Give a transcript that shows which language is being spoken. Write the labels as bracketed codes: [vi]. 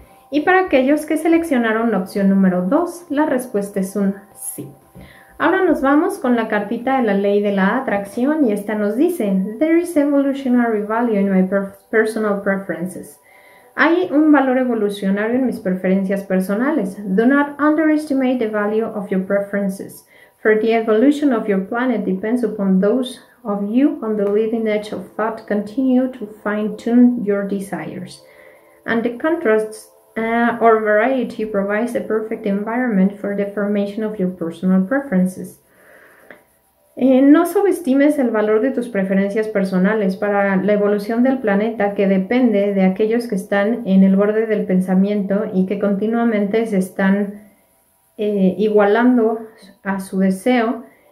[es] Y para aquellos que seleccionaron la opción número 2, la respuesta es un sí. Ahora nos vamos con la cartita de la ley de la atracción y esta nos dice: [en] There is evolutionary value in my personal preferences. [es] Hay un valor evolucionario en mis preferencias personales. [en] Do not underestimate the value of your preferences, for the evolution of your planet depends upon those of you on the leading edge of thought. Continue to fine-tune your desires. And the contrasts or variety provides a perfect environment for the formation of your personal preferences. [es] No subestimes el valor de tus preferencias personales para la evolución del planeta, que depende de aquellos que están en el borde del pensamiento y que continuamente se están igualando a su deseo.